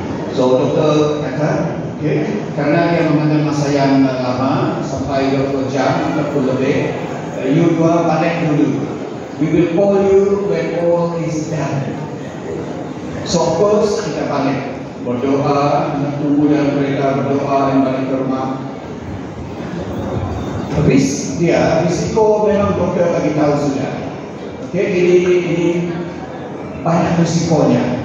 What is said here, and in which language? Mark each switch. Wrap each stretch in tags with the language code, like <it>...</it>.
<ms>So doktor kata, okay, karena dia mengambil masa yang lama, sampai 20 jam ataupun lebih, you dua balik dulu.</ms> <en>We will call you when all is done. So of course,</en> <ms>kita balik. Berdoa, tunggu dan mereka berdoa dan balik ke rumah. Habis dia, risiko memang doktor bagi tahu sudah. Okay, ini banyak risikonya.</ms>